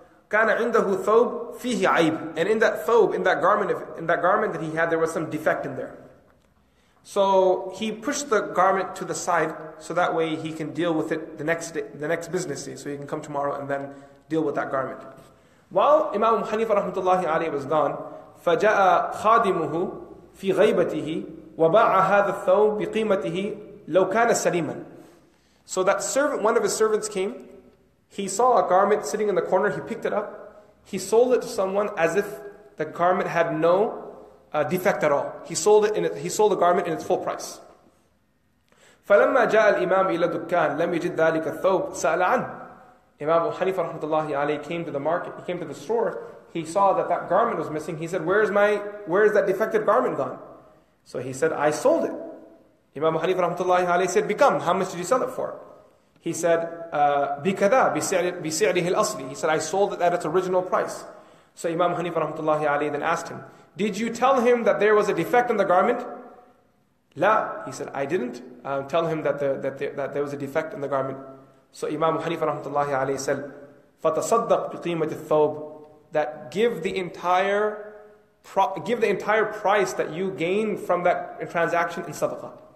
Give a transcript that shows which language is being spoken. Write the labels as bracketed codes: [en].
[ar] كان عنده ثوب فيه عيب. [en] And in that ثوب, in that garment that he had, there was some defect in there. So he pushed the garment to the side so that way he can deal with it the next day, the next business day. So he can come tomorrow and then deal with that garment. While Imam Hanifa rahmatullahi alayhi was gone, [ar] فَجَاءَ خَادِمُهُ فِي غَيْبَتِهِ وَبَاعَ هَذَا الثَّوْبِ بِقِيمَتِهِ لَوْ كَانَ سَلِيمًا. [en] So that servant, one of his servants came, he saw a garment sitting in the corner, he picked it up, he sold it to someone as if the garment had no defect at all. He sold the garment in its full price. [ar] فَلَمَّا جَاءَ الْإِمَامُ إِلَى الدُّكَّانِ لَمْ يَجِدْ ذَلِكَ الثَّوْبَ سَأَلَ عَنْهُ. [en] Imam Abu Hanifa rahmatullahi alayhi came to the market, he came to the store, he saw that that garment was missing, he said, where is that defected garment gone? So he said, I sold it. Imam Hanifa rahmatullahi alayhi said, [ar] بِكَمْ, [en] how much did you sell it for? [ar] He said, بِكَذَا بِسِعْرِهِ الْأَصْلِ. [en] He said, I sold it at its original price. So Imam Hanifa rahmatullahi alayhi then asked him, did you tell him that there was a defect in the garment? La, he said, I didn't tell him that there was a defect in the garment. So Imam Hanifa rahmatullahi alayhi said, [ar] فَتَصَدَّقْ بِقِيمَةِ الثَّوْبِ, [en] that give the entire price that you gain from that transaction in sadaqah.